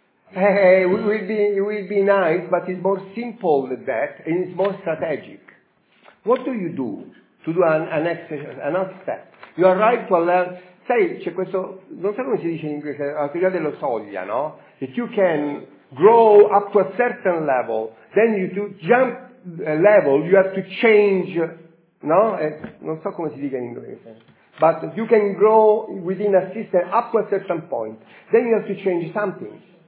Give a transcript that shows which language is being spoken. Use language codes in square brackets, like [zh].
[en] Hey, it will be nice, but it's more simple than that, and it's more strategic. What do you do to do another step? You arrive to a level. [it] Sai, c'è questo, non so come si dice in inglese, la teoria della soglia, no? [en] That you can grow up to a certain level, then you to jump a level, you have to change, no? [it] Non so come si dica in inglese. [en] But you can grow within a system up to a certain point, then you have to change something.